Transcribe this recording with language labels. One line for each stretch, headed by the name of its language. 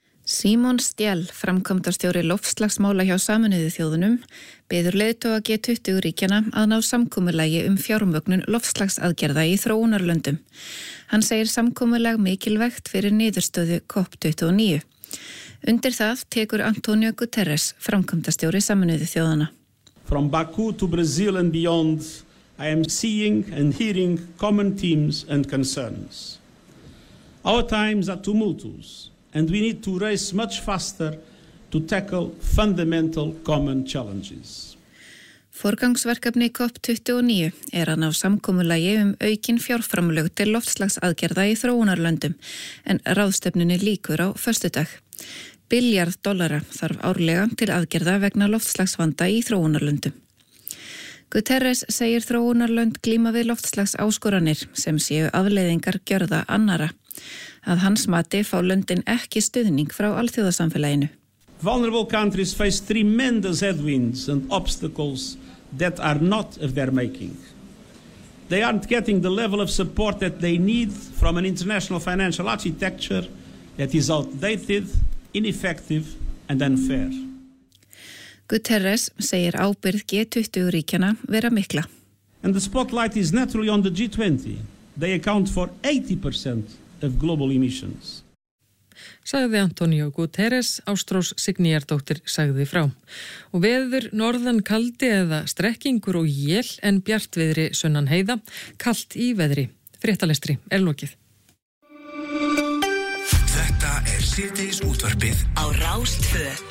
Icelandic: Simon Stjell, framkvæmdastjóri loftslagsmála hjá Sameinuðu þjóðunum, beður leiðtoga G20 ríkjana að ná samkomulagi fjármögnun loftslagsaðgerða í þróunarlöndum. Hann segir samkomulag mikilvægt fyrir niðurstöðu COP29. Undir það tekur Antonio Guterres, framkvæmdastjóri Sameinuðu þjóðana.
English: From Baku to Brazil and beyond, I am seeing and hearing common themes and concerns. Our times are tumultuous. And we need to race much faster to tackle fundamental common challenges.
Icelandic: Forgangsverkefni COP29 er að ná samkomulagi aukin fjárframlög til loftslagsaðgerða í þróunarlöndum, en ráðstefnunni líkur á föstudag. Billjarð dollara þarf árlega til aðgerða vegna loftslagsvanda í þróunarlöndum. Guterres segir þróunarlönd glíma við loftslagsáskoranir sem séu afleiðingar gjörða annara. Að hans mati fá löndin ekki stuðning frá alþjóðasamfélaginu.
English: Vulnerable countries face tremendous headwinds and obstacles that are not of their making. They aren't getting the level of support that they need from an international financial architecture that is outdated, ineffective and unfair.
Icelandic: Guterres segir ábyrgð G20 ríkjana vera mikla.
English: And the spotlight is naturally on the G20. They account for 80% of global emissions.
Icelandic: sagði Antonio Guterres, Ástrós Signýjardóttir sagði frá. Og veður norðan kaldi eða strekkingur og jél en bjartviðri sunnan heiða, kalt í veðri. Fréttalestri er lokið. Þetta er síðdegis útvarpið á Rástvö.